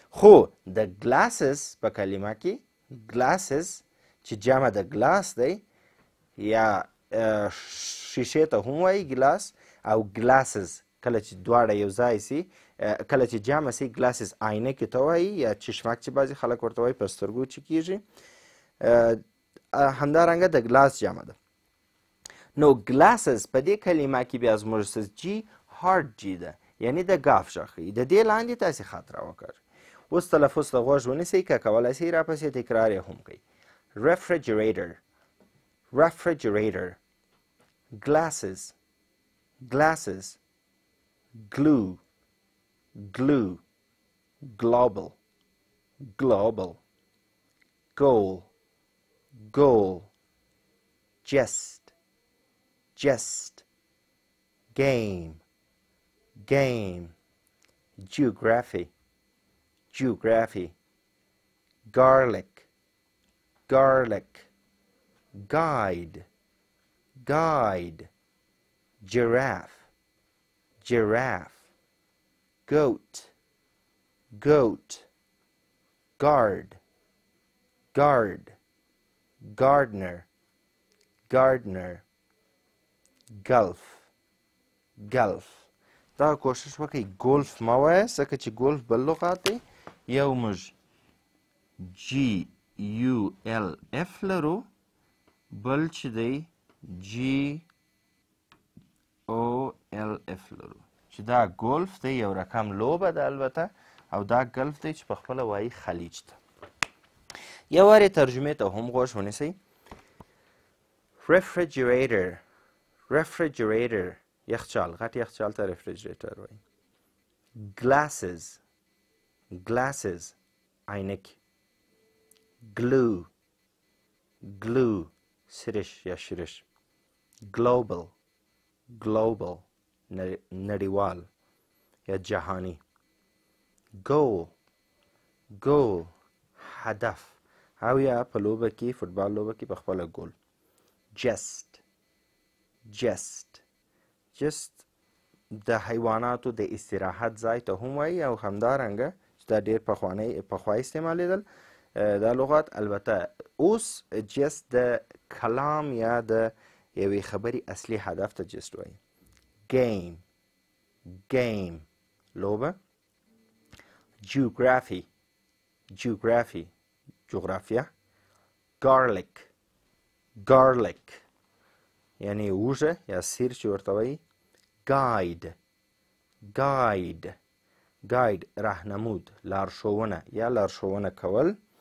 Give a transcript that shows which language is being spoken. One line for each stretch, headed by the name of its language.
Pashto: خو د ګلاسز په کلمه کې ګلاسز چې جامه د ګلاس دی، یا شیشې ته هم وایي ګلاس، او ګلاسز کله چې دواړه یو ځای سي، کله چې جامه سي ګلاسز آینه کې ته وایي، یا چشمک چې بعضي خلک ورته وایي په سترګو چې کیږي، همدارنګه د ګلاس جامه ده. نو ګلاسز په دې کلمه کې بیا زموږ سره جی هارد جی ده، یعنی د ګاف شخي د دې لاندې تاسې خاطره وکړ. اوس تلفظ د غوږ ونیسئ، که کولای سئ راپسې تکرار یې هم کوي.
English: Refrigerator, refrigerator, glasses, glasses, glue, glue, global, global, goal, goal, jest, jest, game, game, geography, geography, garlic, garlic, guide, guide, giraffe, giraffe, goat, goat, guard, guard, gardener, gardener, gulf, gulf.
Pashto: دا کوشش وکړئ ګولف ما وایې، ځکه چې ګولف بل لغت دی. یو موږ جی U L F لرو، بل چې دی G O L F لرو چې دا ګولف دی، یو رقم لوبه ده البته، او دا ګلف دی چې په خپل وایي خلیج ته. یو واره ترجمه ته هم غوږ ونیسئ.
English: Refrigerator, refrigerator،
Pashto: یخچال، غټ یخچال ته refrigerator وایي.
English: Glasses, glasses،
Pashto: عینک.
English: Glue, glue,
Pashto: سرش یا شرش.
English: Global, global,
Pashto: نړیوال یا جهانی.
English: Goal, goal,
Pashto: هدف، او یا په لوبه کې، فوټبال لوبه کې په خپل ګول.
English: Jest, jest,
Pashto: jest د حیواناتو د استراحت ځای ته هم وایي، او همدارنګه چې دا ډېر پخوا استعمالېدل دا لغت، البته اوس جست د کلام یا د یوې خبرې اصلي هدف ته جست وایي.
English: game, game,
Pashto: لوبه.
English: geography, geography,
Pashto: جغرافیا.
English: garlic, garlic,
Pashto: یعنی اوژه یا سیر چې ورته وایي.
English: guide, guide, guide,
Pashto: راهنمود، لارښوونه یا لارښوونه کول.